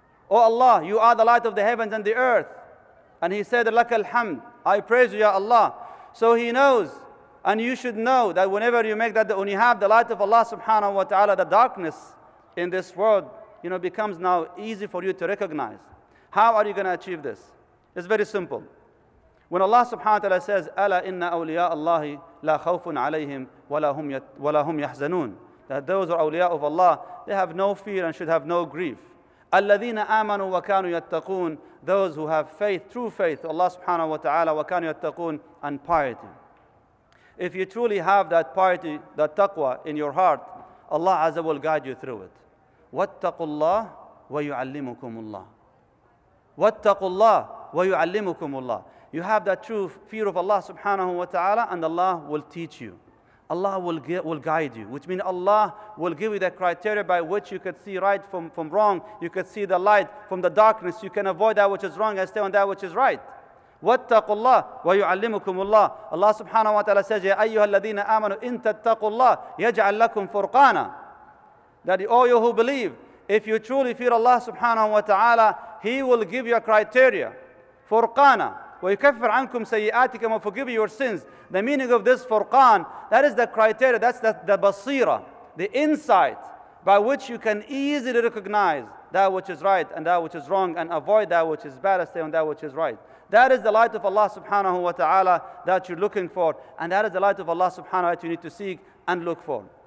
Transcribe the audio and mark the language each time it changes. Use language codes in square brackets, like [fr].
[en] Oh Allah, you are the light of the heavens and the earth. And he said, laka al hamd, I praise you, ya Allah. So he knows, and you should know, that whenever you make that, when you have the light of Allah subhanahu wa ta'ala, the darkness in this world, you know, becomes now easy for you to recognize. How are you going to achieve this? It's very simple. When Allah subhanahu wa ta'ala says, [ar] أَلَا إِنَّ أَوْلِيَاءَ اللَّهِ لَا خَوْفٌ عَلَيْهِمْ وَلَا هُمْ يَحْزَنُونَ. [en] That those are awliya of Allah, they have no fear and should have no grief. [ar] الَّذِينَ آمَنُوا وَكَانُوا يَتَّقُونَ. [en] Those who have faith, true faith, Allah subhanahu wa ta'ala, [ar] وَكَانُوا يَتَّقُونَ, [en] and piety. If you truly have that piety, that taqwa in your heart, Allah Azza will guide you through it. [ar] وَاتَّقُوا اللَّهِ وَيُعَلِّمُكُمُ اللَّهِ. وَاتَّقُوا اللَّهِ وَيُعَلِّمُكُمُ اللَّهِ. [en] You have that true fear of Allah subhanahu wa ta'ala, and Allah will teach you. Allah will guide you, which means Allah will give you the criteria by which you can see right from wrong. You can see the light from the darkness. You can avoid that which is wrong and stay on that which is right. [ar] وَاتَّقُوا اللَّهِ وَيُعَلِّمُكُمُ اللَّهِ. [en] Allah subhanahu wa ta'ala says, [ar] يَا أَيُّهَا الَّذِينَ آمَنُوا إِن تَتَّقُوا اللَّهِ يَجْعَلْ لَكُمْ فُرْقَانًا. [en] That all you who believe, if you truly fear Allah subhanahu wa ta'ala, He will give you a criteria. Furqana. [ar] وَيُكَفِّرْ عَنْكُمْ سَيِّئَاتِكَمْ وَفُقِبِ [en] your sins. The meaning of this furqan, that is the criteria, that's the basira, the insight by which you can easily recognize that which is right and that which is wrong, and avoid that which is bad and stay on that which is right. That is the light of Allah subhanahu wa ta'ala that you're looking for, and that is the light of Allah subhanahu wa ta'ala that you need to seek and look for.